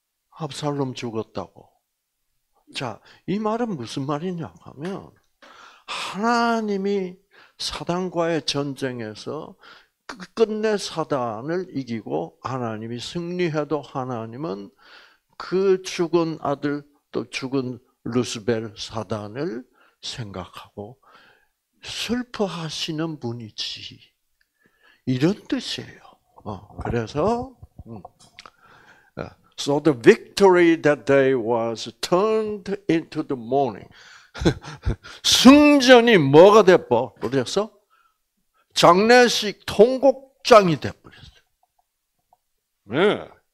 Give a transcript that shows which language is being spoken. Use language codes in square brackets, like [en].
[ko] 압살롬 죽었다고. 자, 이 말은 무슨 말이냐 하면 하나님이 사단과의 전쟁에서 끝내 사단을 이기고 하나님이 승리해도 하나님은 그 죽은 아들 또 죽은 루스벨 사단을 생각하고 슬퍼하시는 분이지. 이런 뜻이에요. 그래서 [en] So the victory that day was turned into the mourning. [ko] 승전이 뭐가 돼버렸어? 장례식 통곡장이 돼버렸어. 네.